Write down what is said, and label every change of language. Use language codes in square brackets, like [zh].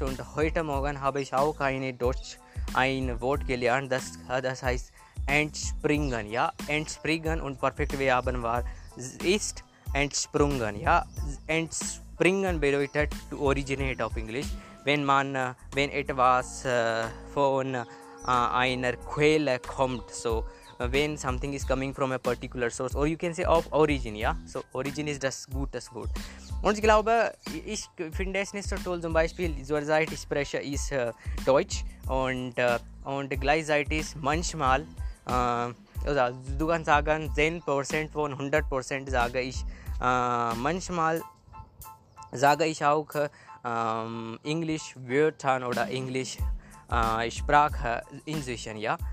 [de] Und heute Morgen habe ich auch eine Deutsch ein Wort gelernt, das heißt entspringen, ja. Entspringen und perfekt Verben war ist entsprungen, ja. Entspringen bedeutet [en] to originate of English, [de] wenn etwas von einer Quelle kommt. [en] So when something is coming from a particular source, or you can say of origin, yeah. So origin is [de] das gutes Wort. Und ich glaube, ich finde es nicht so toll. Zum Beispiel, zurzeit ist Sprecher ist Deutsch und gleichzeitig ist manchmal, also du kannst sagen 10% von 100% sage ich manchmal sage ich auch English Wörtern oder English Sprache inzwischen, yeah.